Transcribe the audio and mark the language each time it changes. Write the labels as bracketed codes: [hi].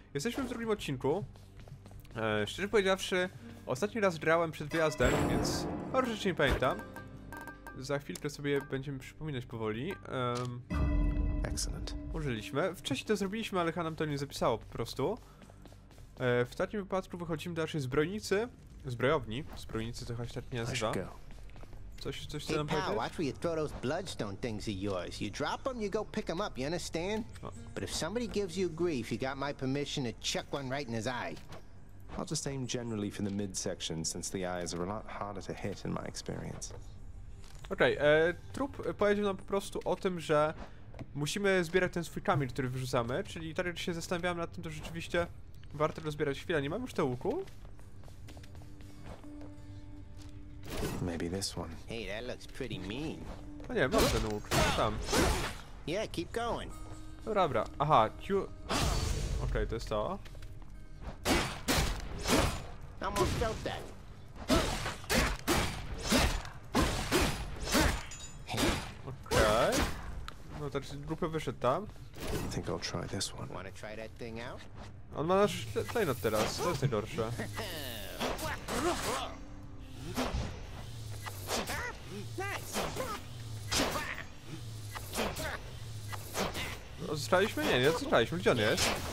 [pl] Jesteśmy w drugim odcinku. Szczerze powiedziawszy, ostatni raz grałem przed wyjazdem, więc parę rzeczy nie pamiętam. Za chwilkę sobie będziemy przypominać powoli. [en] Excellent. [pl] Użyliśmy. Wcześniej to zrobiliśmy, ale Hanam to nie zapisało po prostu. W takim wypadku wychodzimy do naszej zbrojnicy. Zbrojowni. Zbrojnicy to chyba się tak nie nazywa. Coś [en] hey, pal, watch where you throw those bloodstone things of yours. You drop them, you go pick them up, you understand? But if somebody gives you grief, you got my permission to chuck one right in his eye. I'll just aim generally for the midsection, since the eyes are a lot harder to hit in my experience. [pl] Okej, trup powiedział nam po prostu o tym, że musimy zbierać ten swój kamień, który wyrzucamy, czyli tak jak się zastanawiałem nad tym, to rzeczywiście warto go zbierać. Chwila, nie mam już te łuku? [en] Maybe this one. Hey, that looks pretty mean. [pl] O nie, mam ten łuk. Tam. [en] Yeah, keep going. [pl] Dobra, dobra. Aha, Q. Okej, to jest to. [en] Almost felt that. [pl] Okej. No to grupę wyszedł tam. [en] Think I'll try this one. Wanna try that thing out? [pl] On ma nasz klejnot teraz. To jest najgorsze. Zostaliśmy? Nie, nie zostaliśmy. Gdzie on jest?